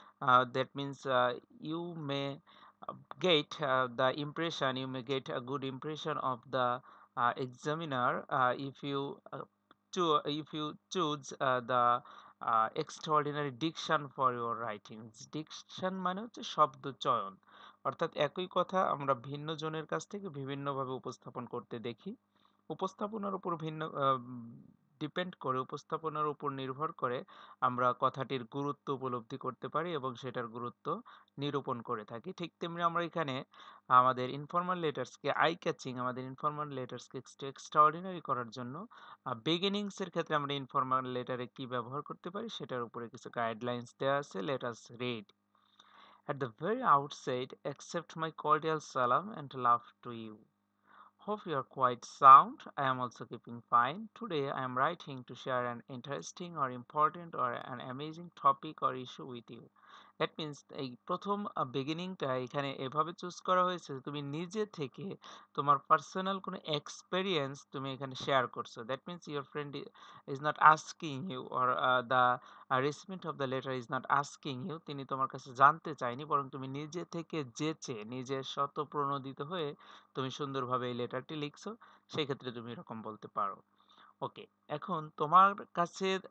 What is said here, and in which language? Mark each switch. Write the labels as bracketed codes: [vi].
[en] That means you may get the impression, you may get a good impression of the examiner if you choose the extraordinary diction for your writings. [bn] Diction mane hocche shobdo choyon. অর্থাৎ একই কথা আমরা ভিন্ন জনের কাছ থেকে বিভিন্ন ভাবে উপস্থাপন করতে দেখি উপস্থাপনার উপর ভিন্ন ডিপেন্ড করে উপস্থাপনার উপর নির্ভর করে আমরা কথাটির গুরুত্ব উপলব্ধি করতে পারি এবং সেটার গুরুত্ব নিরূপণ করে থাকি ঠিক তেমনি আমরা এখানে আমাদের ইনফর্মাল লেটারস কে আই ক্যাচিং আমাদের ইনফর্মাল লেটারস কে এক্সট্রাঅর্ডিনারি করার জন্য বিগিনিংস এর ক্ষেত্রে আমরা ইনফর্মাল লেটারে কি ব্যবহার করতে পারি সেটার উপরে কিছু গাইডলাইনস দেয়া আছে [en] Let us read At the very outset, accept my cordial salam and love to you. Hope you are quite sound. I am also keeping fine. Today, I am writing to share an interesting or important or an amazing topic or issue with you. That means, [bn] এই প্রথম beginning টা এখানে এভাবে choose করা হয়েছে তুমি নিজে থেকে তোমার পার্সোনাল কোনো এক্সপেরিয়েন্স তুমি এখানে শেয়ার করছো [en] that means your friend is not asking you [bn] or the recipient of the letter is not asking you তিনি তোমার কাছে জানতে চায়নি বরং তুমি নিজে থেকে জেচে নিজের স্বতঃপ্রণোদিত হয়ে তুমি সুন্দরভাবে এই লেটারটি লিখছো সেই ক্ষেত্রে তুমি এরকম বলতে পারো ওকে এখন তোমার কাছে